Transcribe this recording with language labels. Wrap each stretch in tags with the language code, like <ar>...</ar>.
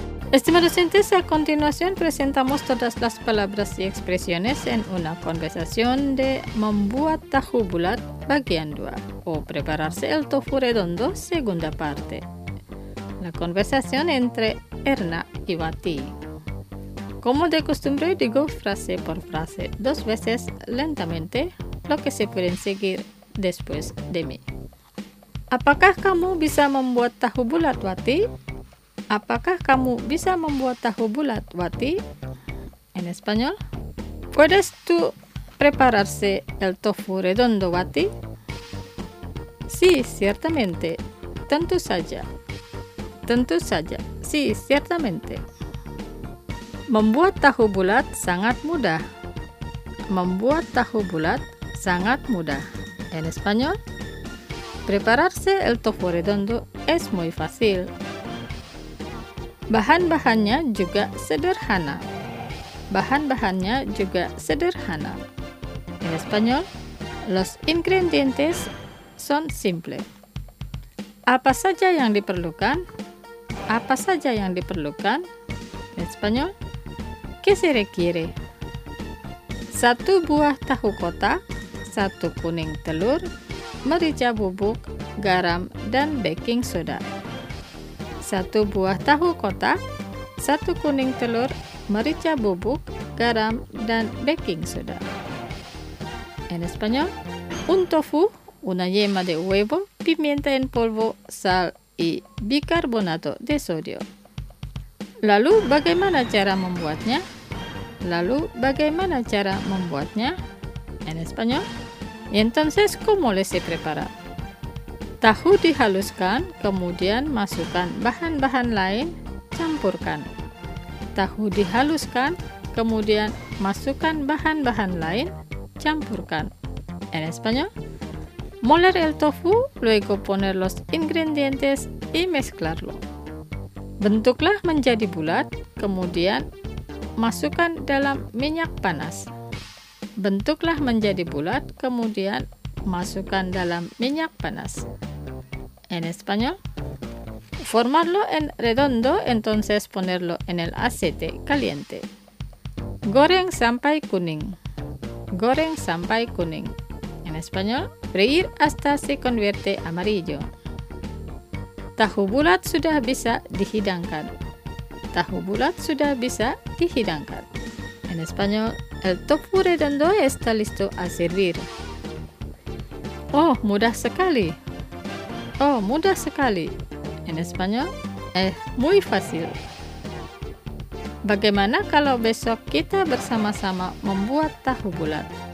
<es>Estimados oyentes, a continuación presentamos todas las palabras y expresiones en una conversación de</es> <id>Membuat Tahu Bulat bagian 2</id> <es>o prepararse el tofu redondo segunda parte. La conversación entre Erna y Wati. Como de costumbre, digo frase por frase dos veces lentamente lo que se pueden seguir después de mí.</es> <id>Apakah kamu bisa membuat tahu bulat, Wati? Apakah kamu bisa membuat tahu bulat, Wati?</id> <es>En español. ¿Puedes tú prepararse el tofu redondo, Wati? Sí, ciertamente.</es> <id>Tentu saja. Tentu saja.</id> <es>Sí, ciertamente.</es> <id>Membuat tahu bulat sangat mudah. Membuat tahu bulat sangat mudah.</id> <es>En español. Prepararse el tofu redondo es muy fácil.</es> <id>Bahan-bahannya juga sederhana. Bahan-bahannya juga sederhana.</id> <es>En español, los ingredientes son simples.</es> <id>Apa saja yang diperlukan? Apa saja yang diperlukan?</id> <es>En español, ¿qué se requiere?</es> <id>Satu buah tahu kotak, satu kuning telur, merica bubuk, garam, dan baking soda. Satu buah tahu kotak, satu kuning telur, merica bubuk, garam, dan baking soda.</id> <es>En español, un tofu, una yema de huevo, pimienta en polvo, sal y bicarbonato de sodio.</es> <id>Lalu bagaimana cara membuatnya? Lalu bagaimana cara membuatnya?</id> <es>En español, y entonces cómo le se prepara?</es> <id>Tahu dihaluskan, kemudian masukkan bahan-bahan lain, campurkan. Tahu dihaluskan, kemudian masukkan bahan-bahan lain, campurkan.</id> <es>En español, moler el tofu, luego poner los ingredientes y mezclarlo.</es> <id>Bentuklah menjadi bulat, kemudian masukkan dalam minyak panas. Bentuklah menjadi bulat, kemudian masukkan dalam minyak panas.</id> <es>En español, formarlo en redondo, entonces ponerlo en el aceite caliente.</es> <id>Goreng sampai kuning. Goreng sampai kuning.</id> <es>En español, freír hasta se convierte amarillo.</es> <id>Tahu bulat sudah bisa dihidangkan. Tahu bulat sudah bisa dihidangkan.</id> <es>En español, el tofu redondo está listo a servir.</es> <id>Oh, mudah sekali. Oh, mudah sekali.</id> <es>En español, es muy fácil.</es> <id>Bagaimana kalau besok kita bersama-sama membuat tahu bulat?</id>